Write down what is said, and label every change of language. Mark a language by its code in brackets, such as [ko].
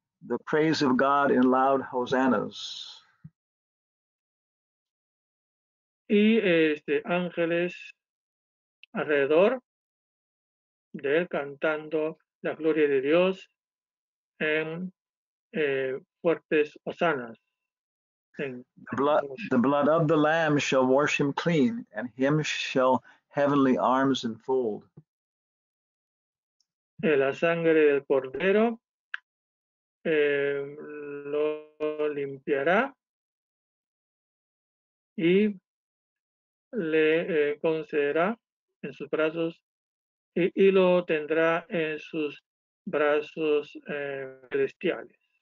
[en] The praise of God in loud hosannas. [es] Y ángeles alrededor de él cantando la gloria de Dios en fuertes hosannas. [en] The blood of the Lamb shall wash him clean, and him shall heavenly arms enfold. [es] La sangre del cordero. Lo limpiará y le concederá en sus brazos y lo tendrá en sus brazos celestiales.